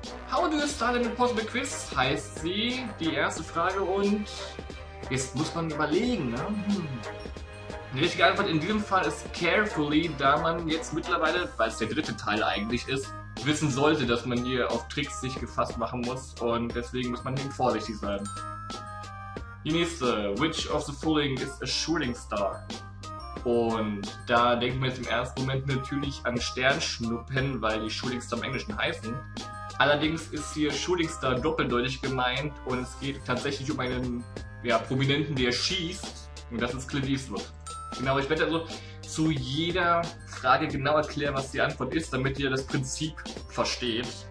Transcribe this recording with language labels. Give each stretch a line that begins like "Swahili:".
English: How do you start an impossible quiz?
German: Heißt sie, die erste Frage, und jetzt muss man überlegen, ne? Die richtige Antwort in diesem Fall ist carefully, da man jetzt mittlerweile, weil es der dritte Teil eigentlich ist, wissen sollte, dass man hier auf Tricks sich gefasst machen muss und deswegen muss man eben vorsichtig sein. Die nächste,
English: which of the following is a shooting star?
German: Und da denkt man jetzt im ersten Moment natürlich an Sternschnuppen, weil die Shooting Star im Englischen heißen. Allerdings ist hier Shooting Star doppeldeutig gemeint und es geht tatsächlich um einen Prominenten, der schießt, und das ist Clint Eastwood. Genau, ich werde also zu jeder Frage genau erklären, was die Antwort ist, damit ihr das Prinzip versteht.